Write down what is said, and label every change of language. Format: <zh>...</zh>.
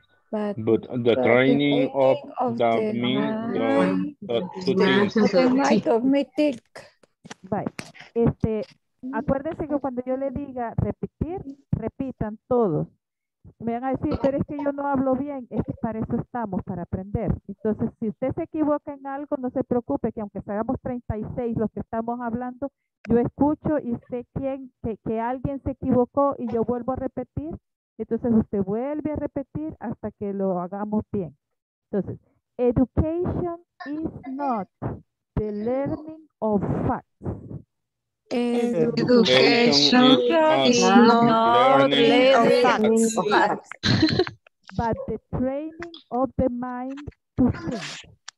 <en>But the training of the mind to think. Right.</en> <es>Acuérdense que cuando yo le diga repetir, repitan todos. Me van a decir, pero es que yo no hablo bien. Es que para eso estamos, para aprender. Entonces, si usted se equivoca en algo, no se preocupe, que aunque seamos 36 los que estamos hablando, yo escucho y sé que alguien se equivocó y yo vuelvo a repetir. Entonces, usted vuelve a repetir hasta que lo hagamos bien. Entonces,</es> <en>education is not the learning of facts. Education is not the learning of facts. But the training of the mind to think.</en>